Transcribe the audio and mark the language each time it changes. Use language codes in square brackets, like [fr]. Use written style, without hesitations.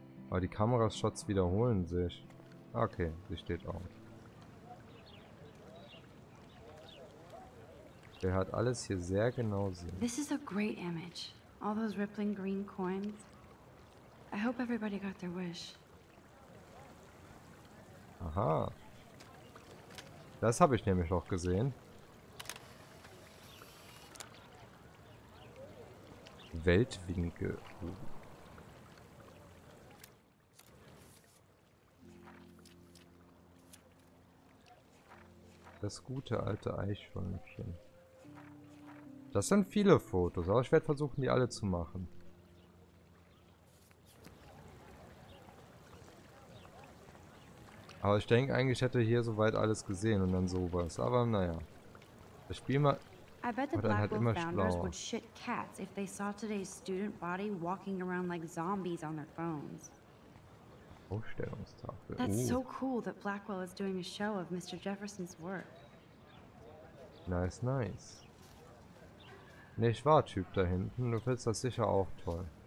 [de] Aber die Kamerashots wiederholen sich. Okay, sie steht auf. Der hat alles hier sehr genau sehen. [en] This is a great image. All those rippling green coins. I hope everybody got their wish. Aha. [de] Das habe ich nämlich auch gesehen. Weltwinkel. Das gute alte Eichhörnchen. Das sind viele Fotos, aber ich werde versuchen, die alle zu machen. Aber ich denke eigentlich, hätte hier soweit alles gesehen und dann sowas. Aber naja. Das Spiel mal. [en] I bet the Black Wolf founders would shit cats if they saw today's student body walking around like zombies on their phones. [de] Ausstellungstafel. [en] That's so cool that Blackwell is doing a show of Mr. Jefferson's work. Nice, nice. [de] Nicht wahr, Typ da hinten. Du findest das sicher auch toll.